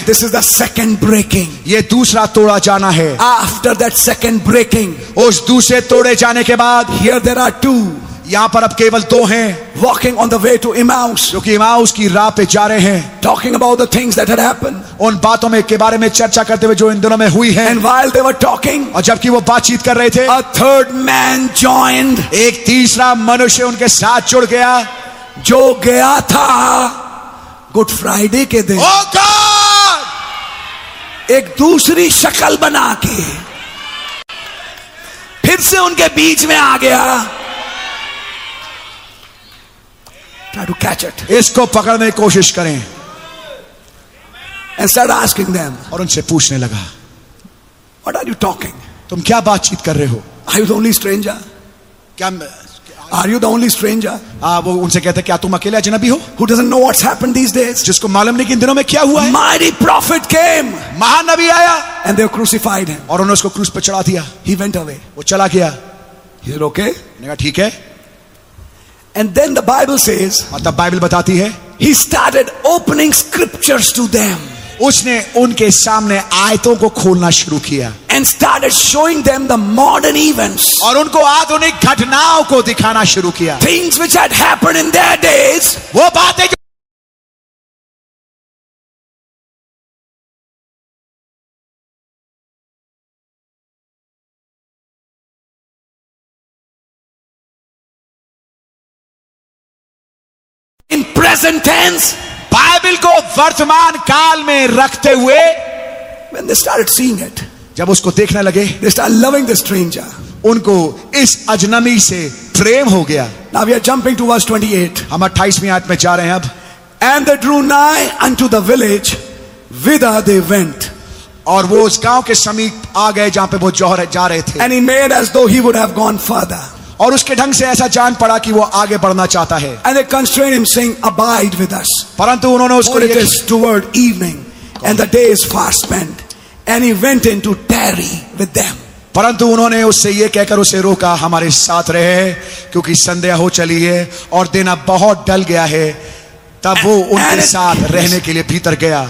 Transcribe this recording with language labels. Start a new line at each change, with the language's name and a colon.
English: This is the second breaking.
Hindi: ये दूसरा तोड़ा जाना है.
English: After that second breaking,
Hindi: उस दूसरे तोड़े जाने के बाद,
English: here there are two.
Hindi: यहाँ पर अब केवल दो हैं.
English: Walking on the way to Emmaus.
Hindi: क्योंकि Emmaus की राह पे जा रहे हैं.
English: Talking about the things that had happened.
Hindi: उन बातों में के बारे में चर्चा करते हुए जो इन दिनों में हुई हैं.
English: And while they were talking,
Hindi: और जबकि वो बातचीत कर रहे थे,
English: a third man joined.
Hindi: एक तीसरा मनुष्य उनके साथ जुड़ गया. जो गया था गुड फ्राइडे के दिन.
English: Oh God!
Hindi: एक दूसरी शक्ल बना के फिर से उनके बीच में आ गया.
English: Try to catch it.
Hindi: इसको पकड़ने की कोशिश करें.
English: And start asking them.
Hindi: और उनसे पूछने लगा.
English: What are you talking?
Hindi: तुम क्या बातचीत कर रहे हो?
English: Are you the only stranger?
Hindi: क्या?
English: Are you the only stranger?
Hindi: वो उनसे कहते हैं क्या तुम अकेले अजनबी हो?
English: Who doesn't know what's happened these days?
Hindi: जिसको मालूम नहीं कि इन दिनों में क्या हुआ है?
English: Mighty prophet came.
Hindi: महानबी आया.
English: And they crucified him.
Hindi: और उन्होंने उसको क्रूस पर चढ़ा दिया.
English: He went away.
Hindi: वो चला गया.
English: He said okay.
Hindi: मैंने कहा ठीक है.
English: And then the Bible says,
Hindi: और तब बाइबल बताती है,
English: he started opening scriptures to them.
Hindi: उसने उनके सामने आयतों को खोलना शुरू किया.
English: And started showing them the modern events.
Hindi: और उनको आधुनिक घटनाओं को दिखाना शुरू किया.
English: Things which had happened in their days.
Hindi: वो बातें जो
English: present tense,
Hindi: Bible को वर्तमान काल में रखते हुए,
English: when they started seeing it,
Hindi: जब उसको देखने लगे,
English: they started loving the stranger,
Hindi: उनको इस अजनबी से प्रेम हो गया.
English: Now we are jumping to verse 28.
Hindi: हम 28वीं आयत में जा रहे हैं अब.
English: And they drew nigh unto the village whither they went.
Hindi: और वो उस गांव के समीप आ गए जहां पे वो जोहर जा रहे थे.
English: And he made as though he would have gone further.
Hindi: और उसके ढंग से ऐसा जान पड़ा कि वो आगे बढ़ना चाहता है.
English: And they constrained him saying, abide with us.
Hindi: परंतु उन्होंने उसको
English: it is toward evening and the day is far spent. And he went in to tarry with them.
Hindi: परंतु उन्होंने उससे ये कहकर उसे रोका, हमारे साथ रहे क्योंकि संध्या हो चली है और दिन अब बहुत डल गया है. तब वो उनके साथ रहने के लिए भीतर गया.